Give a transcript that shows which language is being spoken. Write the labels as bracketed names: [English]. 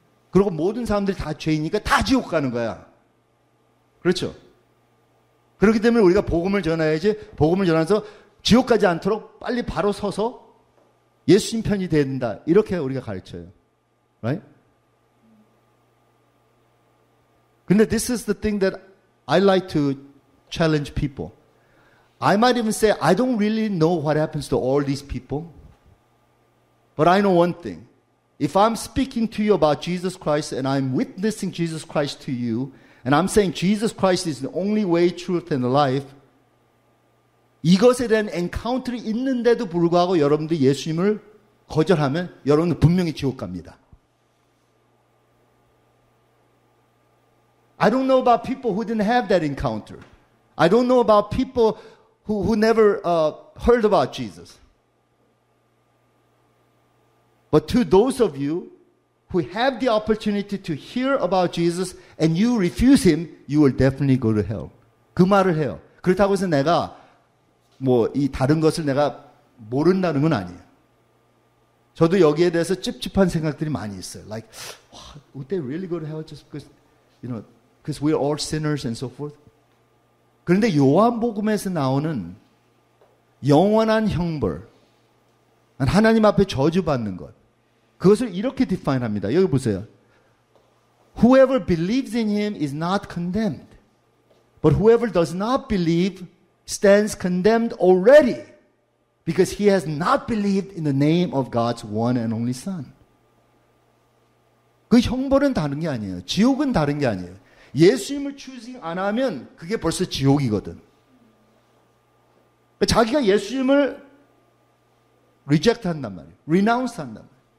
[Korean] 그리고 모든 사람들이 다 죄인이니까 다 지옥 가는 거야. 그렇죠? 그렇기 때문에 우리가 복음을 전해야지 복음을 전해서 지옥 가지 않도록 빨리 바로 서서 예수님 편이 돼야 된다. 이렇게 우리가 가르쳐요. [English] Right? [Korean] 근데 [English] this is the thing that I like to challenge people. I might even say I don't really know what happens to all these people. But I know one thing. If I'm speaking to you about Jesus Christ and I'm witnessing Jesus Christ to you and I'm saying Jesus Christ is the only way, truth and life, [Korean] 이것에 대한 encounter이 있는데도 불구하고 여러분들 예수님을 거절하면 여러분은 분명히 지옥 갑니다. [English] I don't know about people who didn't have that encounter. I don't know about people who never heard about Jesus. But to those of you who have the opportunity to hear about Jesus and you refuse him, you will definitely go to hell. [Korean] 그 말을 해요. 그렇다고 해서 내가 뭐 이 다른 것을 내가 모른다는 건 아니에요. 저도 여기에 대해서 찝찝한 생각들이 많이 있어요. [English] Like, would they really go to hell just because, you know, because we're all sinners and so forth? [Korean] 그런데 요한복음에서 나오는 영원한 형벌, 하나님 앞에 저주받는 것, 그것을 이렇게 디파인합니다. 여기 보세요. [English] Whoever believes in him is not condemned. But whoever does not believe stands condemned already because he has not believed in the name of God's one and only Son. [Korean] 그 형벌은 다른 게 아니에요. 지옥은 다른 게 아니에요. 예수님을 choosing 안 하면 그게 벌써 지옥이거든. 자기가 예수님을 reject 한단 말이에요. renounce 한단 말이에요.